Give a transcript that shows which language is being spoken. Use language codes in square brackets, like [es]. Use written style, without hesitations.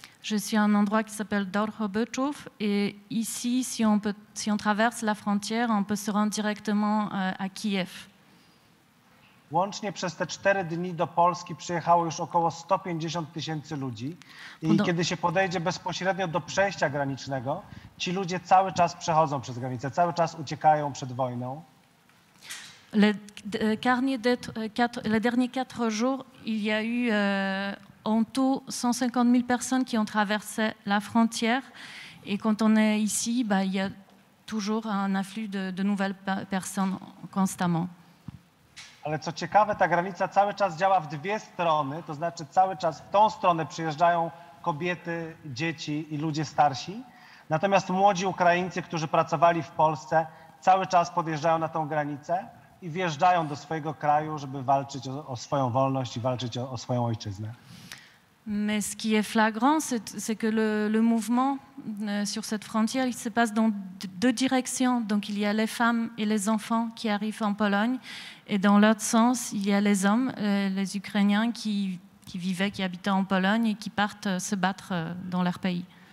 [fr] Je suis à un endroit qui s'appelle Dołhobyczów et ici, si on traverse la frontière, on peut se rendre directement à Kiev. [pl] Łącznie przez te 4 dni do Polski przyjechało już około 150 tysięcy ludzi. I kiedy się podejdzie bezpośrednio do przejścia granicznego, ci ludzie cały czas przechodzą przez granicę, cały czas uciekają przed wojną. [fr] Les derniers 4 jours, il y a eu en tout 150 000 personnes qui ont traversé la frontière. Et quand on est ici, bah, il y a toujours un afflux de nouvelles personnes constamment. [pl] Ale co ciekawe, ta granica cały czas działa w dwie strony, to znaczy cały czas w tą stronę przyjeżdżają kobiety, dzieci i ludzie starsi. Natomiast młodzi Ukraińcy, którzy pracowali w Polsce, cały czas podjeżdżają na tą granicę i wjeżdżają do swojego kraju, żeby walczyć o swoją wolność i walczyć o swoją ojczyznę. [fr] Mais ce qui est flagrant, c'est que le mouvement sur cette frontière, il se passe dans deux directions. Donc il y a les femmes et les enfants qui arrivent en Pologne. Et dans l'autre sens, il y a les hommes, les Ukrainiens qui vivaient, qui habitaient en Pologne et qui partent se battre dans leur pays.